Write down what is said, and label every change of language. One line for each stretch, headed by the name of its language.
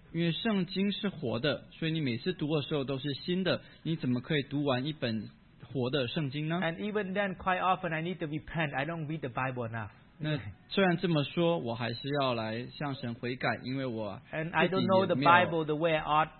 Chinese: 因为圣经是活的，所以你每次读的时候都是新的。你怎么可以读完一本活的圣经呢？
English: And even then, quite often, I need to repent. I don't read the Bible enough.
Chinese: 那虽然这么说，我还是要来向神悔改，因为我
English: And I don't know the Bible the way I ought.